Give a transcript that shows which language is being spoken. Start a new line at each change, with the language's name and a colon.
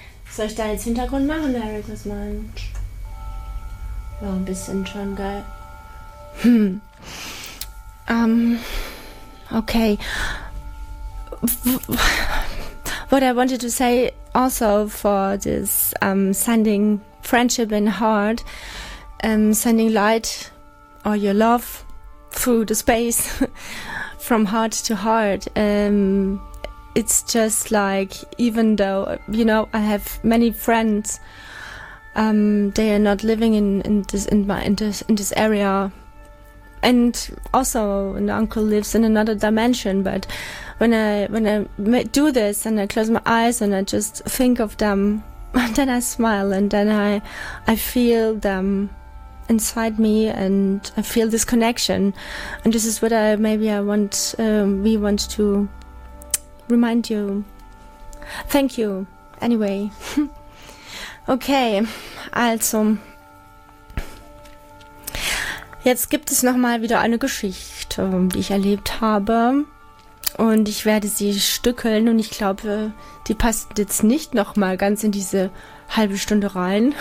German: Soll ich da jetzt Hintergrund machen, Derek? Was meinst du? War ein bisschen schon geil. Okay.
English: What I wanted to say also for this sending friendship in heart, sending light or your love through the space from heart to heart. It's just like, even though, you know, I have many friends, they are not living in this area, and also an uncle lives in another dimension. But when I do this and I close my eyes and I just think of them, then I smile and then I feel them inside me and I feel this connection. And this is what we want to remind you. Thank you. Anyway.
German: Okay, also, jetzt gibt es nochmal wieder eine Geschichte, die ich erlebt habe und ich werde sie stückeln und ich glaube, die passt jetzt nicht nochmal ganz in diese halbe Stunde rein.